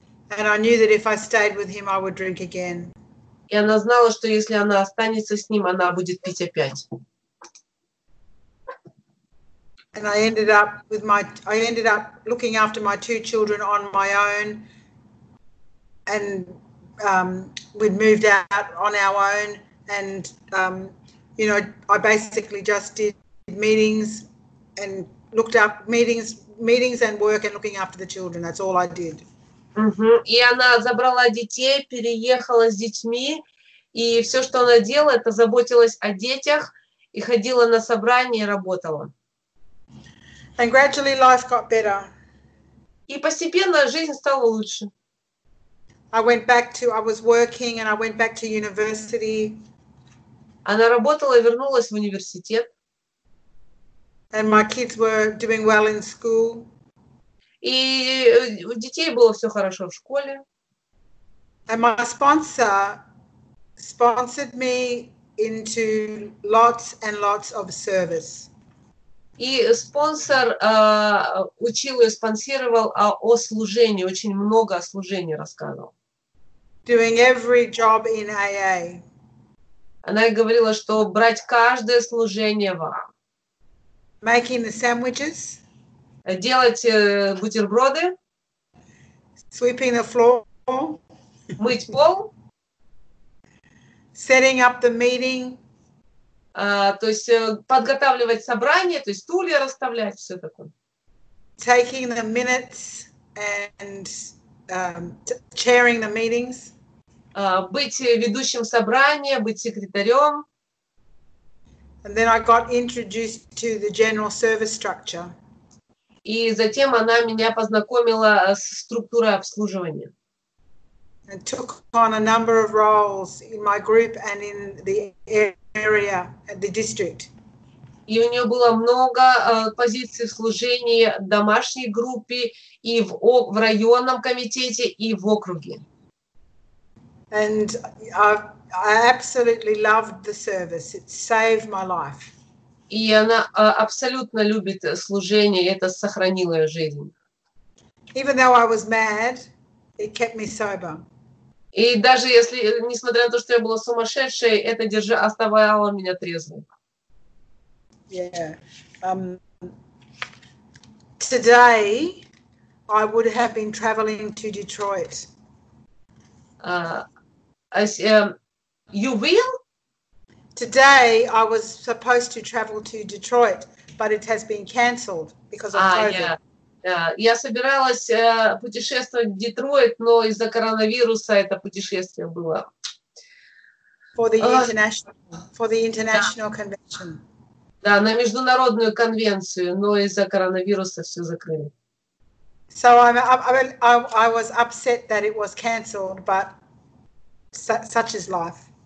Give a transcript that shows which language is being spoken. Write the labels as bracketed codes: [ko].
[en] And I knew that if I stayed with him, I would drink again. [ru] И она знала, что если она останется с ним, она будет пить опять. [en] And I ended up with my, I ended up looking after my two children on my own. And we'd moved out on our own, and you know, I basically just did meetings and looked up meetings and work and looking after the children. That's all I did. Mm-hmm. [ru] И она забрала детей, переехала с детьми, и все, что она делала, это заботилась о детях и ходила на собрания и работала. [en] And gradually life got better. [ru] И постепенно жизнь стала лучше. [en] I was working and I went back to university. [ru] Она работала и вернулась в университет. [en] And my kids were doing well in school. [ru] И у детей было все хорошо в школе. [en] And my sponsor sponsored me into lots and lots of service. [ru] И спонсор учил ее, спонсировал о служении, очень много о служении рассказывал. [en] Doing every job in AA. [ru] Она говорила, что брать каждое служение вам. [en] Making the sandwiches. [ru] Делать бутерброды. [en] Sweeping the floor. [ru] Мыть пол. [en] Setting up the meeting. [ru] То есть подготавливать собрание, то есть стулья расставлять, все такое. [en] Taking the minutes and chairing the meetings. [ru] Быть ведущим собрания, быть секретарем. [en] And then I got introduced to the general service structure. [ru] И затем она меня познакомила с структурой обслуживания. [en] And took on a number of roles in my group and in the area, at the district. [ru] И у нее было много позиций в служении домашней группе и в районном комитете и в округе. [en] And I absolutely loved the service. It saved my life. [ru] И она абсолютно любит служение, и это сохранило ее жизнь. [en] Even though I was mad, it kept me sober. [ru] И даже если, несмотря на то, что я была сумасшедшей, это оставало меня трезвой. [en] Yeah. Today I would have been traveling to Detroit. You will? Today I was supposed to travel to Detroit, but it has been cancelled because of COVID. [ru] Я собиралась путешествовать в Детройт, но из-за коронавируса это путешествие было. [en] For the international convention. [ru] Да, на международную конвенцию, но из-за коронавируса все закрыли. [en] So I was upset that it was cancelled, but such is life.